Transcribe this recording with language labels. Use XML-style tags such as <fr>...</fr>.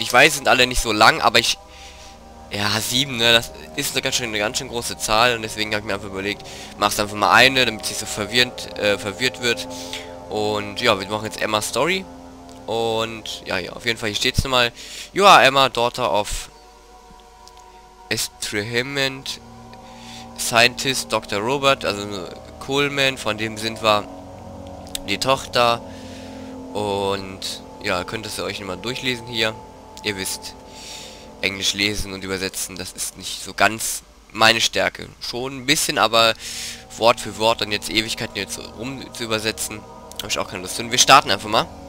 <de>Ich weiß, sind alle nicht so lang, aber ich... Ja, 7, ne? Das ist eine ganz schön große Zahl. Und deswegen habe ich mir einfach überlegt, mach's einfach mal eine, damit sie so verwirrt wird. Und ja, wir machen jetzt Emma Story. Und ja, ja, auf jeden Fall, hier steht es nochmal.</de> <en>You are Emma, daughter of Estrehement Scientist Dr.</en> <de>Robert, also Coleman, von dem sind wir die Tochter. Und ja, könntest du euch nochmal durchlesen hier. Ihr wisst, Englisch lesen und übersetzen, das ist nicht so ganz meine Stärke. Schon ein bisschen, aber Wort für Wort und jetzt Ewigkeiten jetzt rum zu übersetzen, habe ich auch keine Lust. Und wir starten einfach mal.</de>